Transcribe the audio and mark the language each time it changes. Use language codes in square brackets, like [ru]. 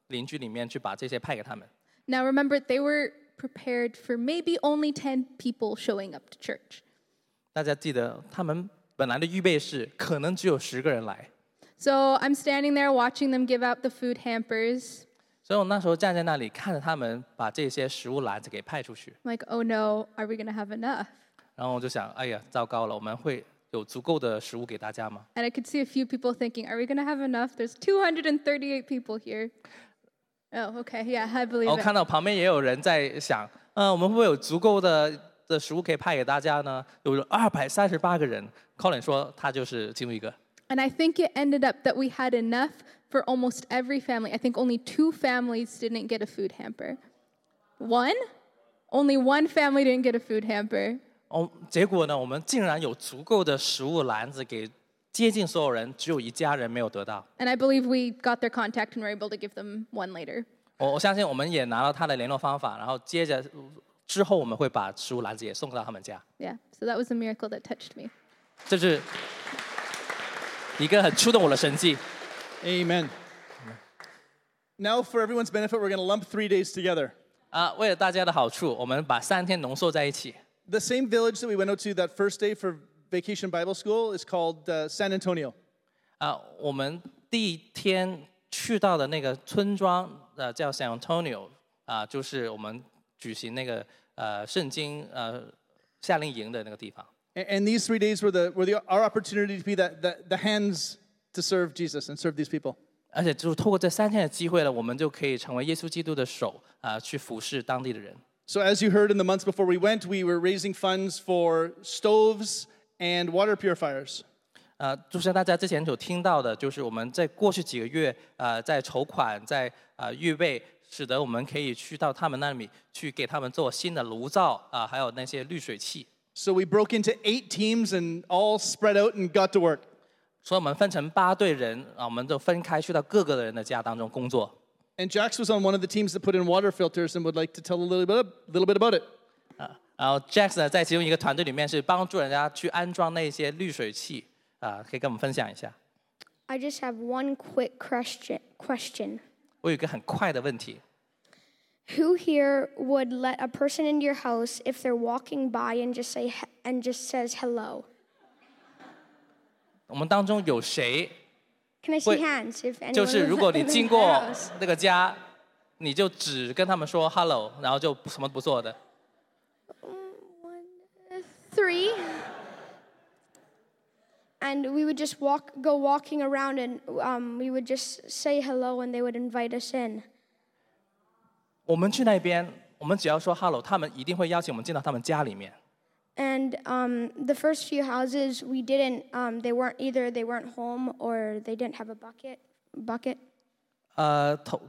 [zh] 然后我们就说，还跟我们说，如果有剩余的这一些的食物篮子的话呢，我们会去敲门，去到邻居里面去把这些派给他们。 [en] Now remember, they were prepared for maybe only 10 people showing up to church. [zh] 大家记得他们。本来的预备是可能只有10个人来。 [en] So I'm standing there watching them give out the food hampers. [zh] 所以我那时候站在那里看着他们把这些食物篮子给派出去。 [en] Like, oh no, are we going to have enough? [zh] 然后我就想，哎呀，糟糕了，我们会有足够的食物给大家吗？ [en] And I could see a few people thinking, are we going to have enough? There's 238 people here. Oh, okay, yeah, I believe it. [zh] 我看到旁边也有人在想，我们会不会有足够的 [en] And I think it ended up that we had enough for almost every family. I think only two families didn't get a food hamper. One? Only one family didn't get a food hamper. [zh] 结果呢，我们竟然有足够的食物篮子给接近所有人，只有一家人没有得到。 [en] And I believe we got their contact and were able to give them one later. [zh] 我相信我们也拿到他的联络方法，然后接着。之后我们会把食物篮子也送到他们家。 [en] Yeah, so that was a miracle that touched me. [zh] 这是一个很触动我的神迹。 [en] Amen. Now, for everyone's benefit, we're going to lump 3 days together. [zh] 为了大家的好处，我们把3天浓缩在一起。 [en] The same village that we went out to that first day for vacation Bible school is called San Antonio. [zh] 我们第一天去到的那个村庄叫 San Antonio, 就是我们举行那个 [en] And these 3 days were our opportunity to be the hands to serve Jesus and serve these people. [zh] 而且就是透过这三天的机会呢，我们就可以成为耶稣基督的手，去服侍当地的人。 [en] So as you heard in the months before we went, we were raising funds for stoves and water purifiers. [zh] 就像大家之前有听到的，就是我们在过去几个月，在筹款，在预备。使得我们可以去到他们那里去给他们做新的炉灶，还有那些滤水器。 [en] So we broke into 8 teams and all spread out and got to work. [zh] 所以我们分成8队人，我们就分开去到各个人的家当中工作。 [en] And Jax was on one of the teams that put in water filters and would like to tell a little bit about it. [zh] 然后 Jax 呢，在其中一个团队里面是帮助人家去安装那些滤水器，可以跟我们分享一下。 [en] I just have one quick question. [zh] 我有一个很快的问题。 [en] Who here would let a person into your house if they're walking by and just says hello? [zh] 我们当中有谁？ [en] Can I see hands if anyone? [zh] 就是如果你经过那个家，你就只跟他们说 hello，然后就什么不做的。 [en] 3 And we would just go walking around, and we would just say hello, and they would invite us in. [zh] 我们去那边，我们只要说 hello，他们一定会邀请我们进到他们家里面。 [en] And the first few houses we didn't, they weren't home or they didn't have a bucket.